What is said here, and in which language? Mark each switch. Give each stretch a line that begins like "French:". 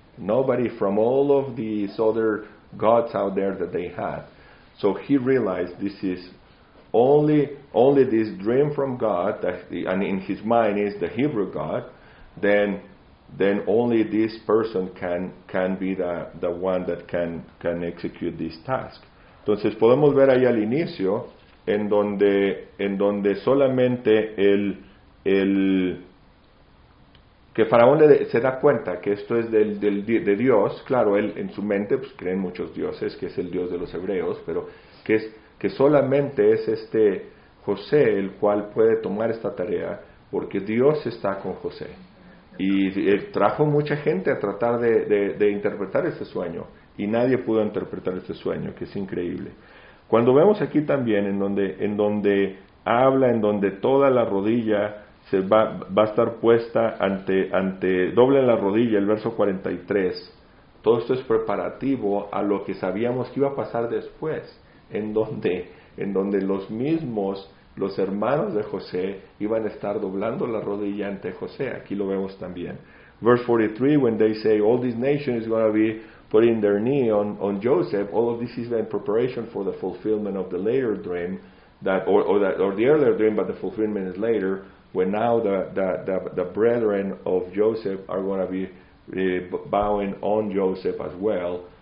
English: Nobody from all of these other gods out there that they had. So he realized this is only this dream from God, and in his mind is the Hebrew God, then only this person can be the one that can execute this task.
Spanish: Entonces podemos ver ahí al inicio en donde solamente el que Faraón se da cuenta que esto es de Dios. Claro, él en su mente pues creen muchos dioses, que es el Dios de los hebreos, pero que solamente es este José el cual puede tomar esta tarea porque Dios está con José. Y trajo mucha gente a tratar de interpretar este sueño y nadie pudo interpretar este sueño, que es increíble. Cuando vemos aquí también en donde habla, en donde toda la rodilla se va a estar puesta ante doble la rodilla, el verso 43, todo esto es preparativo a lo que sabíamos que iba a pasar después, en donde los mismos, los hermanos de José, iban a estar doblando la rodilla ante José. Aquí lo vemos también.
English: Verse 43, when they say all this nation is going to be putting their knee on Joseph, all of this is in preparation for the fulfillment of the later dream, or the earlier dream, but the fulfillment is later, when now the brethren of Joseph are going to be bowing on Joseph as well.